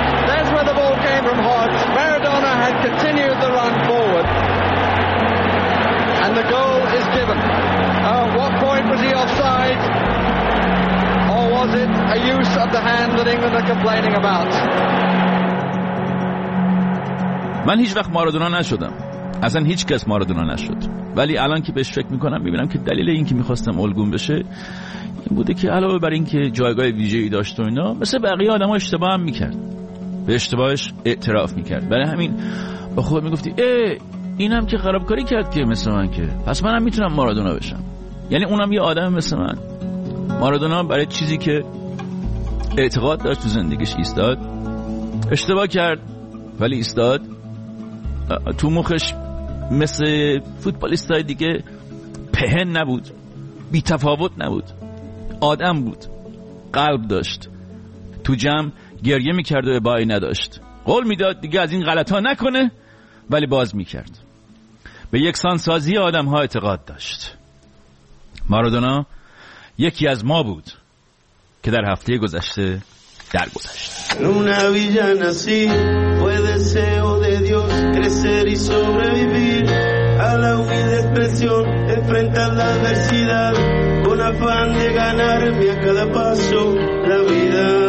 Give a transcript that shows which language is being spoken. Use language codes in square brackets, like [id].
[en] That's where the ball came from Hodge. Maradona had continued the run forward. And the goal is given. What point was he offside? Or was it a use of the hand that England are complaining about? [fa] من هیچ وقت مارادونا نشدم. اصلا هیچ کس مارادونا نشد. ولی الان که بهش فکر میکنم میبینم که دلیل این که میخواستم الگون بشه این بوده که علاوه بر این که جایگاه ویژه‌ای داشت و اینا، مثل بقیه آدم ها اشتباه هم میکرد، به اشتباهش اعتراف میکرد. برای همین با خود میگفتی ای اینم که خرابکاری کرد که مثل من، که پس منم میتونم مارادونا بشم. یعنی اونم یه آدم مثل من. مارادونا برای چیزی که اعتقاد داشت تو زندگیش ایستاد، اشتباه کرد ولی ایستاد. تو مخش مثل فوتبالیستای دیگه پهن نبود، بی تفاوت نبود، آدم بود، قلب داشت. تو جمع گریه میکرد و ابایی نداشت، قول میداد دیگه از این غلط ها نکنه ولی باز میکرد. به یکسان سازی آدم ها اعتقاد داشت. مارادونا یکی از ما بود که در هفته گذشته [es] Una villa nací, fue deseo de Dios crecer y sobrevivir a la humilde expresión, enfrentar la adversidad con afán de ganarme a cada paso la vida.